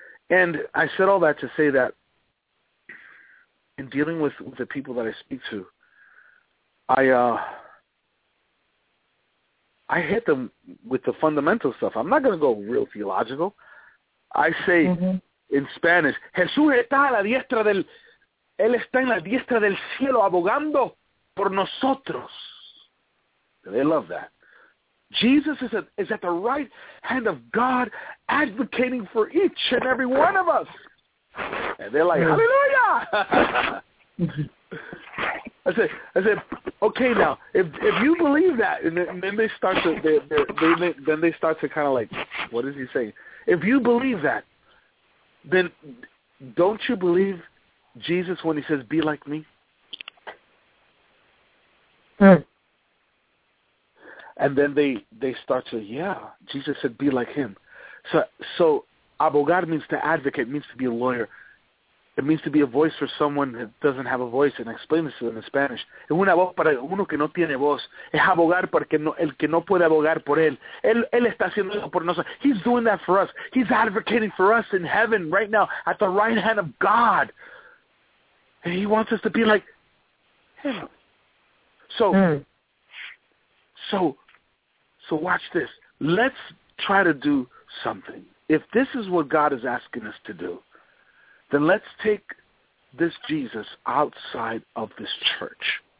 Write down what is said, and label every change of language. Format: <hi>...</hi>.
<en>And I said all that to say that in dealing with the people that I speak to, I hit them with the fundamental stuff. I'm not going to go real theological. I say in Spanish,</en> <es>Jesús está a la diestra del... Él está en la diestra del cielo abogando por nosotros.</es> <en>They love that. Jesus is at the right hand of God, advocating for each and every one of us. And they're like, hallelujah. I said, okay, now if you believe that, and then they start to they start to kind of like, what is he saying? If you believe that, then don't you believe Jesus when he says, "Be like me"? And then they start to, yeah, Jesus said, "Be like him." So abogad means to advocate, means to be a lawyer. It means to be a voice for someone that doesn't have a voice, and I explain this to them in Spanish.</en> <es>Es una voz para uno que no tiene voz. Es abogar para el que no puede abogar por él. Él está haciendo eso por nosotros.</es> <en>He's doing that for us. He's advocating for us in heaven right now at the right hand of God. And he wants us to be like him. So watch this. Let's try to do something. If this is what God is asking us to do, then let's take this Jesus outside of this church.</en>